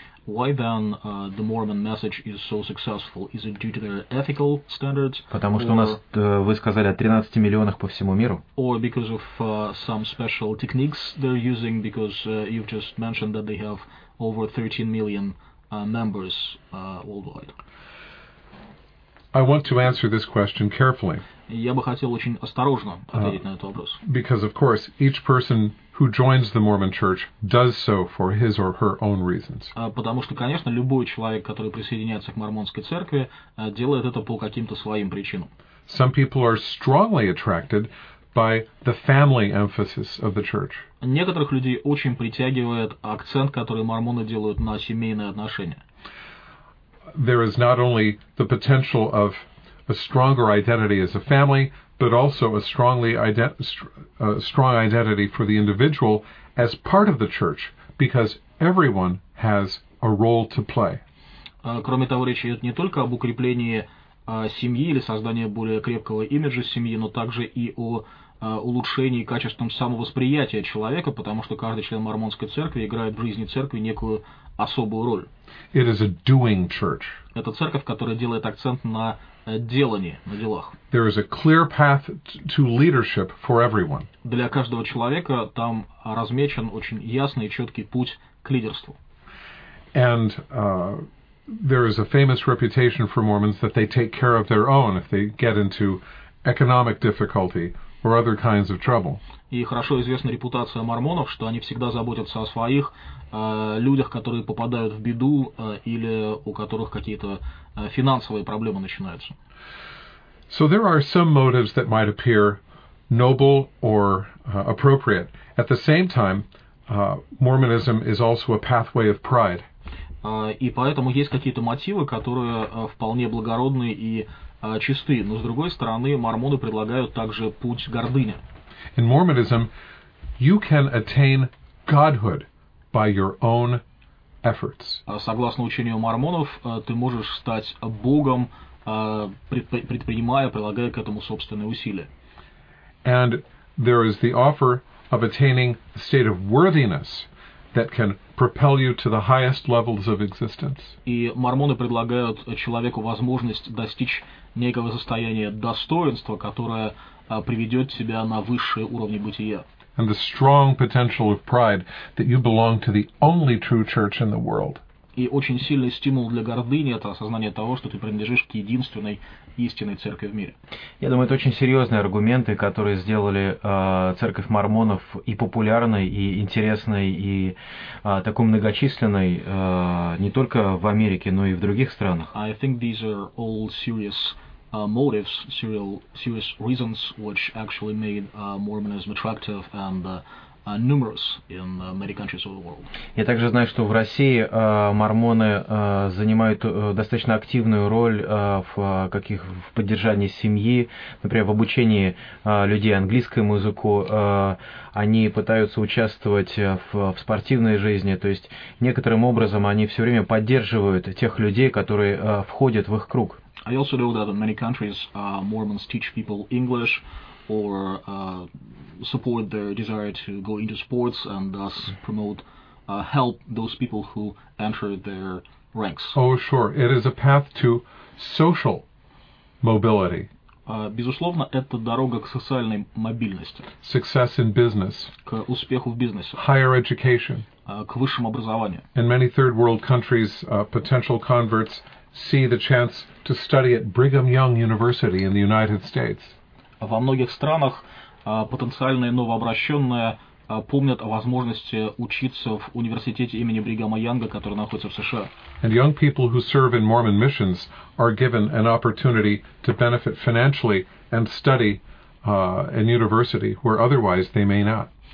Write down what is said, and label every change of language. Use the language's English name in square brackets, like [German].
[English] Why then the Mormon message is so successful? Is it due to their ethical standards? [Russian] Потому что у нас вы сказали о 13 миллионах по всему миру. [English] Or because of some special techniques they're using, because you've just mentioned that they have over 13 million members worldwide. I want to answer this question carefully. [Russian] Я бы хотел очень осторожно ответить на этот вопрос. [English] Because of course each person who joins the Mormon Church does so for his or her own reasons. [Russian] Потому что, конечно, любой человек, который присоединяется к мормонской церкви, делает это по каким-то своим причинам. [English] Some people are strongly attracted by the family emphasis of the church. [Russian] Некоторых людей очень притягивает акцент, который мормоны делают на семейные отношения. [English] There is not only the potential of a stronger identity as a family, but also a strong identity for the individual as part of the church, because everyone has a role to play. [Russian] Кроме того, речь идет не только об укреплении семьи или создании более крепкого имиджа семьи, но также и о улучшении качества самовосприятия человека, потому что каждый член мормонской церкви играет в жизни церкви некую особую роль. [English] It is a doing church. [Russian] Это церковь, которая делает акцент на делании, на делах. [English] There is a clear path to leadership for everyone. [Russian] Для каждого человека там размечен очень ясный и четкий путь к лидерству. [English] And there is a famous reputation for Mormons that they take care of their own if they get into economic difficulty or other kinds of trouble. [Russian] И хорошо известна репутация мормонов, что они всегда заботятся о своих людях, которые попадают в беду или у которых какие-то финансовые проблемы начинаются. [English] So there are some motives that might appear noble or appropriate. At the same time, Mormonism is also a pathway of pride. [Russian] И поэтому есть какие-то мотивы, которые вполне благородные и чисты. Но с другой стороны, мормоны предлагают также путь гордыни. [English] In Mormonism, you can attain godhood by your own efforts. [Russian] Согласно учению мормонов, ты можешь стать богом, предпринимая, прилагая к этому собственные усилия. [English] And there is the offer of attaining a state of worthiness that can propel you to the highest levels of existence. [Russian] И мормоны предлагают человеку возможность достичь некого состояния достоинства, которое приведет тебя на высшие уровни бытия. [English] And the strong potential of pride that you belong to the only true church in the world. [Russian] И очень сильный стимул для гордыни – это осознание того, что ты принадлежишь к единственной истинной церкви в мире. Я думаю, это очень серьезные аргументы, которые сделали церковь мормонов и популярной, и интересной, и такой многочисленной не только в Америке, но и в других странах. [English] I think these are all serious motives, serious reasons, which actually made Mormonism attractive and numerous in many countries of the world. [Russian] Я также знаю, что в России мормоны занимают достаточно активную роль в поддержании семьи, например, в обучении людей английскому языку. Они пытаются участвовать в спортивной жизни, то есть некоторым образом они все время поддерживают тех людей, которые входят в их круг. [English] I also know that in many countries Mormons teach people English or support their desire to go into sports and thus promote help those people who enter their ranks. Oh, sure. It is a path to social mobility. [Russian] Безусловно, это дорога к социальной мобильности. [English] Success in business. [Russian] К успеху в бизнесе. [English] Higher education. [Russian] К высшему образованию. [English] In many third world countries, potential converts see the chance to study at Brigham Young University in the United States. [Russian] Во многих странах потенциальные новообращенные помнят о возможности учиться в университете имени Бригама Янга, который находится в США. [English] And young people who serve in Mormon missions are given an opportunity to benefit financially and study in university, where otherwise they may not.